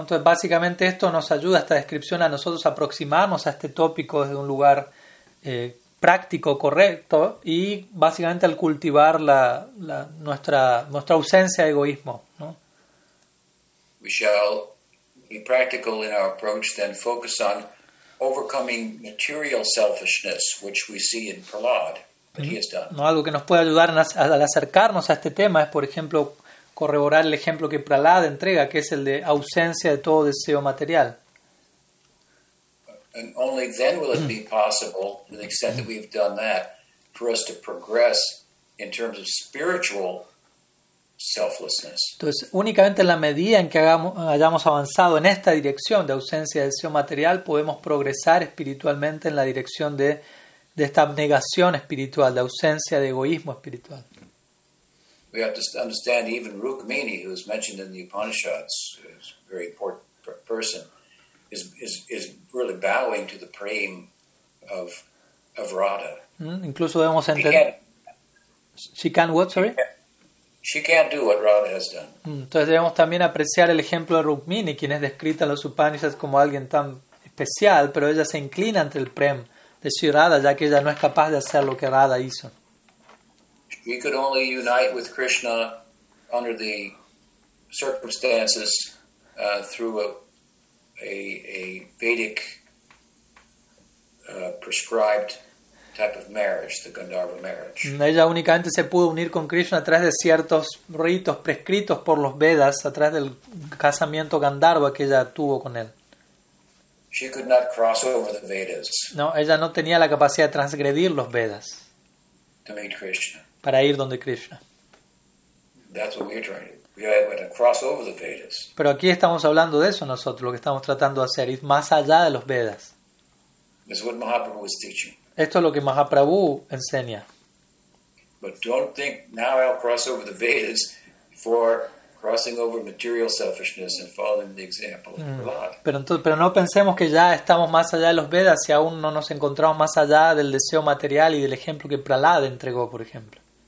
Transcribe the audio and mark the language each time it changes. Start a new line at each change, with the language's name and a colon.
Spanish: Entonces, básicamente esto nos ayuda, esta descripción, a nosotros aproximarnos a este tópico desde un lugar práctico, correcto, y básicamente al cultivar nuestra ausencia de egoísmo, ¿no?
English: We shall be practical in our approach, then focus on overcoming material selfishness, which we see in Prahlad, that he has done.
Spanish: No, algo que nos puede ayudar al acercarnos a este tema es, por ejemplo, corroborar el ejemplo que Prahlad entrega, que es el de ausencia de todo deseo material.
English: And only then will it be possible, to the extent that we've done that, for us to progress in terms of spiritual selflessness.
Spanish: Entonces, únicamente en la medida en que hayamos avanzado en esta dirección de ausencia de deseo material, podemos progresar espiritualmente en la dirección de esta abnegación espiritual, de ausencia de egoísmo espiritual.
English: We have to understand even Rukmini, who is mentioned in the Upanishads, is a very important person, is really bowing to the praying of Radha.
Spanish: Incluso debemos entender.
English: She can what, sorry? She can't do what Radha has done.
Spanish: Entonces debemos también apreciar el ejemplo de Rukmini, quien es descrita en los Upanishads como alguien tan especial, pero ella se inclina ante el prem de Sri Radha, ya que ella no es capaz de hacer lo que Radha hizo.
English: She could only unite with Krishna under the circumstances through a Vedic prescribed type of marriage, the Gandharva marriage.
Spanish: Ella únicamente se pudo unir con Krishna a través de ciertos ritos prescritos por los Vedas, a través del casamiento Gandharva que ella tuvo con él.
English: She could not cross over the Vedas.
Spanish: No, ella no tenía la capacidad de transgredir los Vedas.
English: To meet Krishna.
Spanish: Para ir donde Krishna.
English: That's what we're trying to do. We're going to cross over the Vedas.
Spanish: Pero aquí estamos hablando de eso nosotros, lo que estamos tratando de hacer, ir más allá de los Vedas.
English: This is what Mahaprabhu was teaching.
Spanish: Esto es lo que Mahaprabhu enseña.
English: But don't think now I'll cross over the Vedas for crossing over material selfishness and following the example of Prahlada.
Spanish: Pero no pensemos que ya estamos más allá de los Vedas si aún no nos encontramos más allá del deseo material y del ejemplo que Prahlada entregó, por ejemplo.